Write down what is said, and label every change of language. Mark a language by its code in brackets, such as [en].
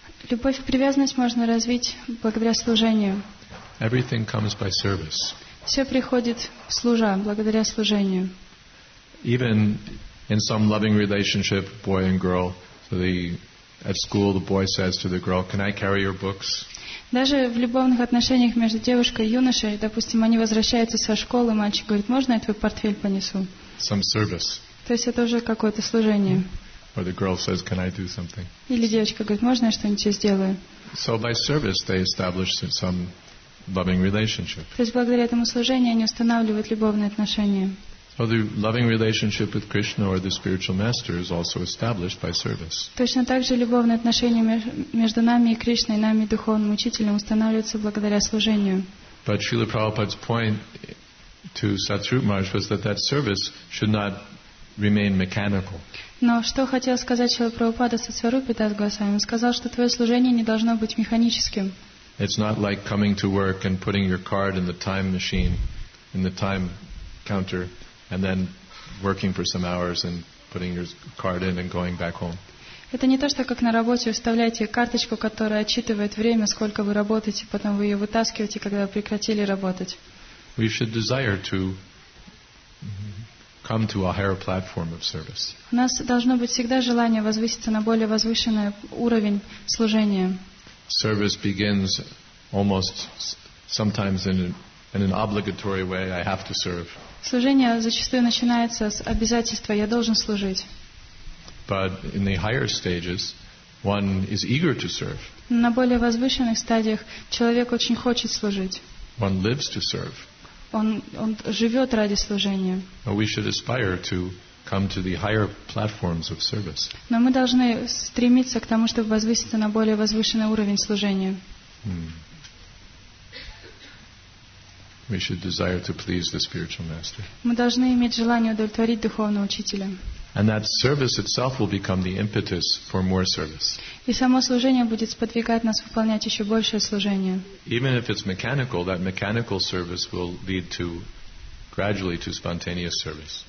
[ru] Любовь и привязанность можно развить благодаря служению. [en] Everything comes by service. [ru] Все приходит служа, благодаря служению. [en] Even in some loving relationship, boy and girl, at school the boy says to the girl, "Can I carry your books?" [ru] Даже в любовных отношениях между девушкой и юношей, допустим, они возвращаются со школы, мальчик говорит: "Можно я твой портфель понесу?" [en] Some service. [ru] То есть это уже какое-то служение. [en] Or the girl says, "Can I do something?" [ru] Или девочка говорит: "Можно я что-нибудь сделаю?" [en] So by service they establish some loving relationship. [ru] То есть благодаря этому служению они устанавливают любовные отношения. [en] So the loving relationship with Krishna or the spiritual master is also established by service. [ru] Точно так же любовные отношения между нами и Кришной, нами и духовным учителем, устанавливаются благодаря служению. [en] But Srila Prabhupada's point to Satrupa Maharaj was that that service should not remain mechanical. [ru] Но что хотел сказать Шрила Прабхупада Сатсварупе Дас Госвами? Он сказал, что твое служение не должно быть механическим. [en] It's not like coming to work and putting your card in the time machine, in the time counter, and then working for some hours and putting your card in and going back home. [ru] Это не то, что как на работе вставляете карточку, которая отчитывает время, сколько вы работаете, потом вы ее вытаскиваете, когда вы прекратили работать. [en] We should desire to come to a higher platform of service. [ru] У нас должно быть всегда желание возвыситься на более возвышенный уровень служения. [en] Service begins almost sometimes in an obligatory way. I have to serve. [ru] Служение зачастую начинается с обязательства. Я должен служить. [en] But in the higher stages, one is eager to serve. [ru] На более возвышенных стадиях человек очень хочет служить. [en] One lives to serve. [ru] Он живет ради служения. [en] But we should aspire to come to the higher platforms of service. [ru] Но мы должны стремиться к тому, чтобы возвыситься на более возвышенный уровень служения. [en] We should desire to please the spiritual master. [ru] Мы должны иметь желание удовлетворить духовного учителя. [en] And that service itself will become the impetus for more service. [ru] И само служение будет сподвигать нас выполнять еще большее служение. [en] Even if it's mechanical, that mechanical service will lead to gradually to spontaneous service.